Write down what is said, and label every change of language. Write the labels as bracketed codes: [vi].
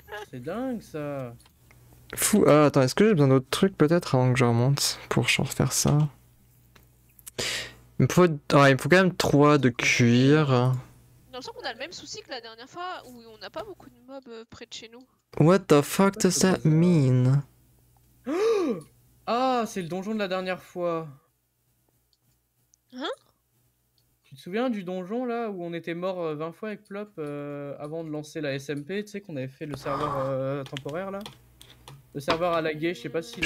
[fr] C'est dingue ça. Fou, attends, est-ce que j'ai besoin d'autres trucs peut-être avant que je remonte pour refaire ça? Il me faut quand même 3 de cuir. Dans le sens qu'on a le même souci que la dernière fois où on a pas beaucoup de mobs près de chez nous. [en] What the fuck does that mean? [fr] Ah, c'est le donjon de la dernière fois. Hein? Tu te souviens du donjon là où on était mort 20 fois avec Plop avant de lancer la SMP? Tu sais qu'on avait fait le serveur temporaire là? Le serveur a lagué, je sais pas si la.